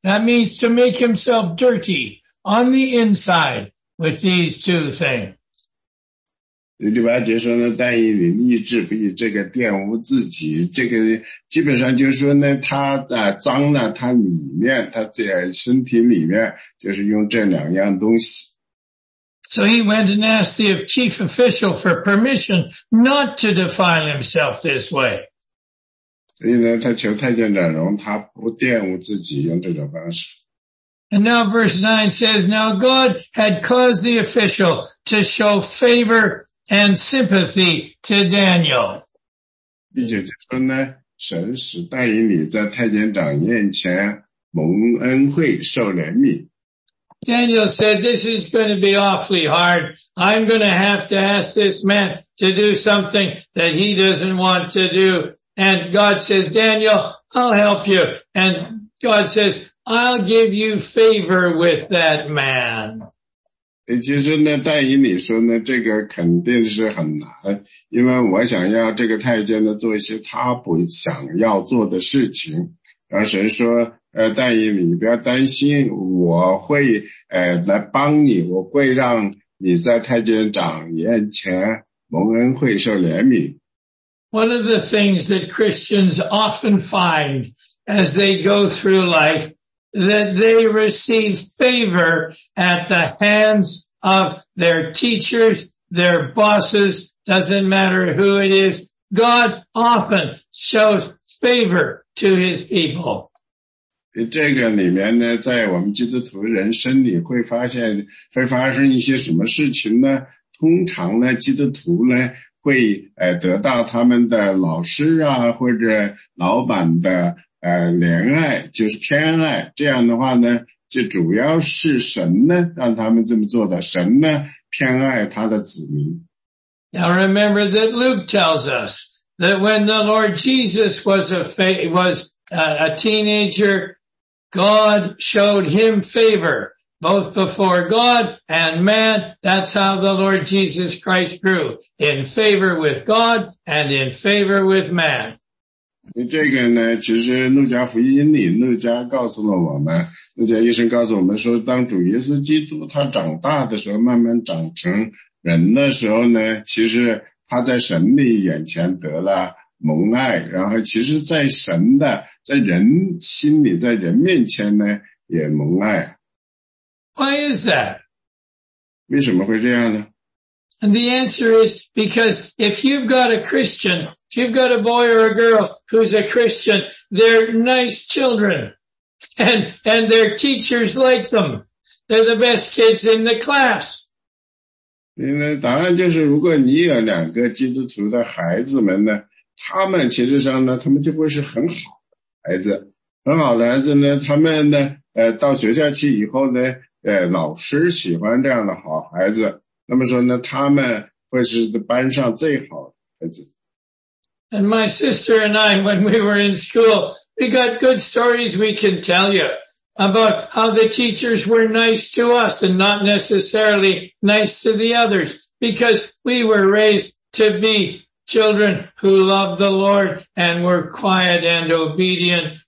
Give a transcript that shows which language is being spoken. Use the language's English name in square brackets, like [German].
[English] That means to make himself dirty on the inside with these two things. [Chinese] 第八节说呢，但以理立志不以这个玷污自己。这个基本上就是说呢，他脏了他里面，他在身体里面，就是用这两样东西。 [English] So he went and asked the chief official for permission not to defile himself this way. [Chinese] 所以呢，他求太监长容他不玷污自己，用这种方式。 [English] And now verse 9 says, now God had caused the official to show favor and sympathy to Daniel. [Chinese] 并且就说呢，神使但以理在太监长面前蒙恩惠，受怜悯。 [English] Daniel said, this is going to be awfully hard. I'm going to have to ask this man to do something that he doesn't want to do. And God says, Daniel, I'll help you. And God says, I'll give you favor with that man. [Chinese] 其实呢，但以理说呢，这个肯定是很难，因为我想要这个太监呢做一些他不想要做的事情。而神说，但以理，你不要担心，我会来帮你，我会让你在太监长眼前蒙恩惠，受怜悯。 [English] One of the things that Christians often find as they go through life. That they receive favor at the hands of their teachers, their bosses, doesn't matter who it is. God often shows favor to his people. [Chinese] 这个里面呢，在我们基督徒人生里会发现，会发生一些什么事情呢？通常呢，基督徒呢，会得到他们的老师啊，或者老板的怜爱，就是偏爱。这样的话呢，就主要是神呢让他们这么做的，神呢偏爱他的子民。 [English] Now remember that Luke tells us that when the Lord Jesus was a teenager, God showed him favor both before God and man. That's how the Lord Jesus Christ grew in favor with God and in favor with man. [Chinese] 这个呢，其实路加福音里路加告诉了我们，路加医生告诉我们说，当主耶稣基督他长大的时候，慢慢长成人的时候呢，其实他在神的眼前得了蒙爱，然后其实在神的，在人心里，在人面前呢也蒙爱。 [English] Why is that? [Chinese] 为什么会这样呢？ [English] And the answer is because if you've got a Christian,If you've got a boy or a girl who's a Christian, they're nice children. And their teachers like them. They're the best kids in the class. [Chinese] 答案就是如果你有两个基督徒的孩子们呢，他们其实上呢，他们就会是很好的孩子。很好的孩子呢，他们呢，到学校去以后呢，老师喜欢这样的好孩子。那么说呢，他们会是班上最好的孩子。 [English] And my sister and I, when we were in school, we got good stories we can tell you about how the teachers were nice to us and not necessarily nice to the others, because we were raised to be children who loved the Lord and were quiet and obedient.